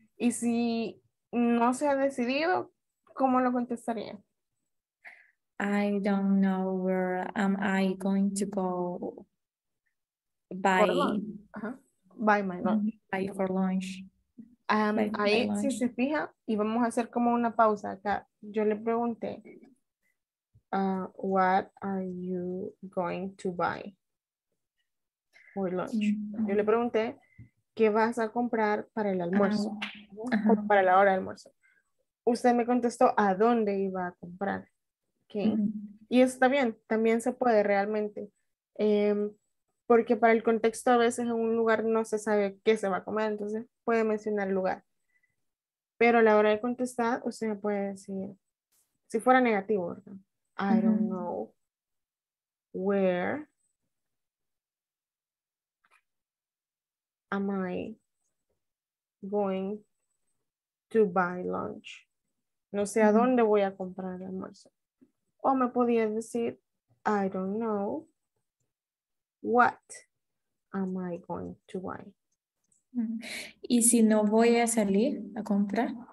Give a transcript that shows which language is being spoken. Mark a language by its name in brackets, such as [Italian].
[Spanish] Y si no se ha decidido, ¿cómo lo contestaría? [English] I don't know where am I going to go by my lunch. By for lunch. [Spanish] Ahí, si se fija, y vamos a hacer como una pausa acá. Yo le pregunté, [English] what are you going to buy for lunch? [Spanish] Sí. Yo le pregunté, ¿qué vas a comprar para el almuerzo? Uh-huh. Para la hora de almuerzo. Usted me contestó, ¿a dónde iba a comprar? ¿Okay? Uh-huh. Y está bien, también se puede realmente. Porque para el contexto a veces en un lugar no se sabe qué se va a comer, entonces puede mencionar el lugar. Pero a la hora de contestar, usted me puede decir, si fuera negativo, ¿no? [English] I don't know where am I going to buy lunch. [Spanish] No sé a dónde voy a comprar el almuerzo. O me podía decir, [English] I don't know what am I going to buy. [Spanish] ¿Y si no voy a salir a comprar?